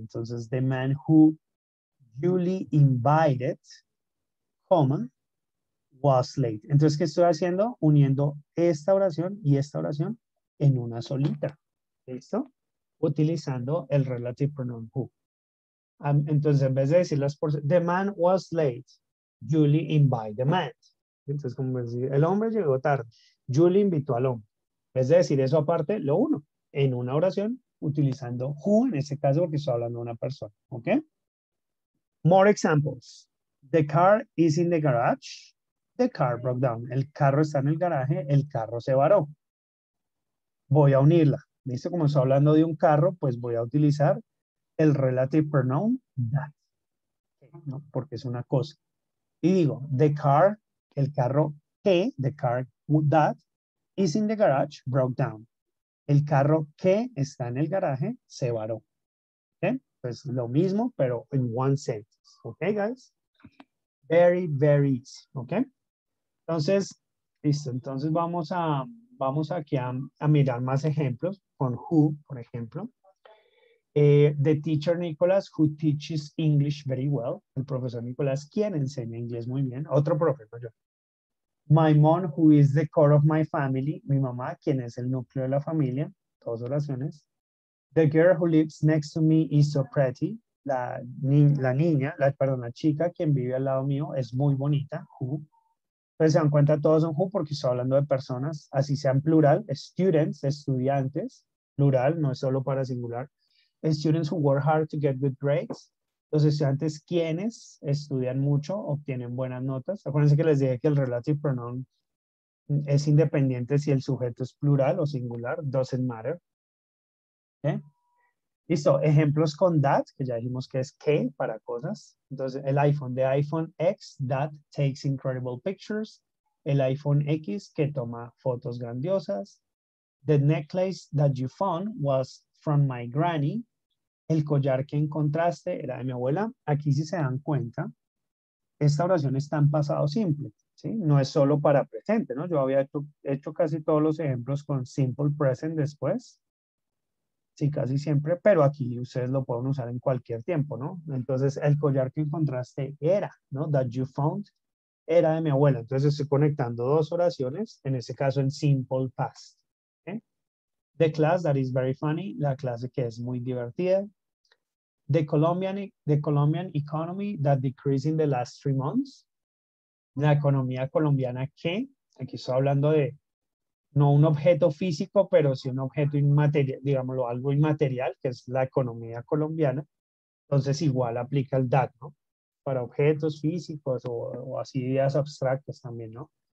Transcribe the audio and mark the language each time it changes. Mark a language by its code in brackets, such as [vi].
[en] Entonces, the man who Julie invited, comma, was late. [es] Entonces, ¿qué estoy haciendo? Uniendo esta oración y esta oración en una solita. ¿Listo? Utilizando el relative pronoun who. Entonces, en vez de decirlas por, [en] the man was late, Julie invited the man. [es] Entonces, como decir, el hombre llegó tarde. Julie invitó al hombre. Es decir, eso aparte, lo uno. En una oración, utilizando who, en este caso, porque estoy hablando de una persona. ¿Ok? [en] More examples. The car is in the garage. The car broke down. [es] El carro está en el garaje. El carro se varó. Voy a unirla. ¿Listo? Como estoy hablando de un carro, pues voy a utilizar el relative pronoun that. ¿No? Porque es una cosa. [en] Y digo, the car, [es] el carro que, [en] the car that is in the garage, broke down. [es] El carro que está en el garaje, se varó. ¿Ok? Pues lo mismo, pero en [en] one sentence. [es] ¿Ok, guys? [en] Very, very easy. ¿Ok? [es] Entonces, listo. Entonces vamos aquí a mirar más ejemplos con who, por ejemplo. [en] The teacher Nicholas, who teaches English very well. [es] El profesor Nicholas, quien enseña inglés muy bien. Otro profe, no yo. [en] My mom, who is the core of my family. [es] Mi mamá, quien es el núcleo de la familia. Dos oraciones. [en] The girl who lives next to me is so pretty. [es] La chica quien vive al lado mío es muy bonita. Who. Entonces se dan cuenta, todos son who porque estoy hablando de personas. Así sean plural. Students, estudiantes. Plural, no es solo para singular. [en] Students who work hard to get good grades. [es] Los estudiantes quienes estudian mucho obtienen buenas notas. Acuérdense que les dije que el relative pronoun es independiente si el sujeto es plural o singular. [en] Doesn't matter. ¿Okay? Listo. [es] Ejemplos con that, que ya dijimos que es que para cosas. Entonces, el iPhone. [en] The iPhone X that takes incredible pictures. [es] El iPhone X que toma fotos grandiosas. [en] The necklace that you found was from my granny. [es] El collar que encontraste era de mi abuela. Aquí, si se dan cuenta, esta oración está en pasado simple. ¿sí? No es solo para presente, ¿no? Yo había hecho casi todos los ejemplos con simple present después. Sí, casi siempre, pero aquí ustedes lo pueden usar en cualquier tiempo, ¿no? Entonces, el collar que encontraste era, ¿no? [en] That you found, [es] era de mi abuela. Entonces, estoy conectando dos oraciones, en ese caso en simple past. ¿Okay? [en] The class that is very funny, [es] la clase que es muy divertida. [en] The Colombian economy that decreased in the last 3 months. [es] La economía colombiana que, aquí estoy hablando de, no un objeto físico, pero sí un objeto inmaterial, digámoslo, algo inmaterial, que es la economía colombiana. Entonces, igual aplica el DAC, ¿no? Para objetos físicos o así ideas abstractas también, ¿no?